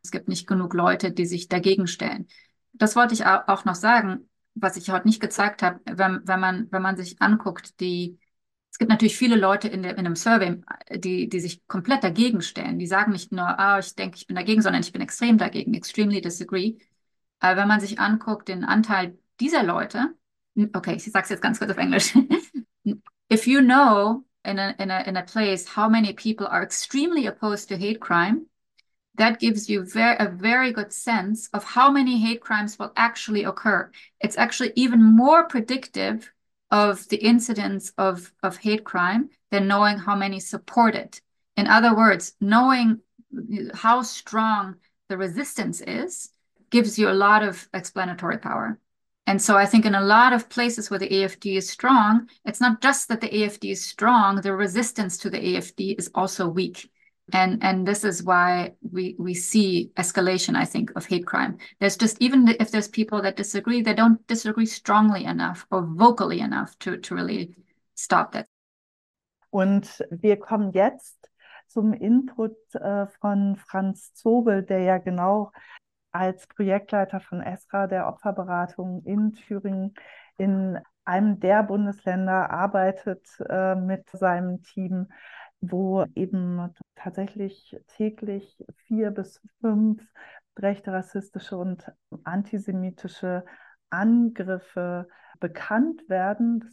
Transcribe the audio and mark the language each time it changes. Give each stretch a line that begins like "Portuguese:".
German: Es gibt nicht genug Leute, die sich dagegen stellen. Das wollte ich auch noch sagen, was ich heute nicht gezeigt habe, wenn man sich anguckt, es gibt natürlich viele Leute in dem Survey, die sich komplett dagegen stellen. Die sagen nicht nur, ah, ich denke, ich bin dagegen, sondern ich bin extrem dagegen,
English: extremely disagree.
German: Aber wenn man sich anguckt, den Anteil dieser Leute, okay, ich sage es jetzt ganz kurz auf Englisch.
English: If you know in a place how many people are extremely opposed to hate crime, that gives you a very good sense of how many hate crimes will actually occur. It's actually even more predictive of the incidence of hate crime than knowing how many support it. In other words, knowing how strong the resistance is gives you a lot of explanatory power. And so I think in a lot of places where the AfD is strong, it's not just that the AfD is strong, the resistance to the AfD is also weak. And this is why we see escalation, I think, of hate crime. There's just, even if there's people that disagree, they don't disagree strongly enough or vocally enough to really stop that.
German: Und wir kommen jetzt zum Input von Franz Zobel, der ja genau als Projektleiter von ESRA, der Opferberatung in Thüringen, in einem der Bundesländer arbeitet mit seinem Team, wo eben tatsächlich täglich 4 bis 5 rechte rassistische und antisemitische Angriffe bekannt werden.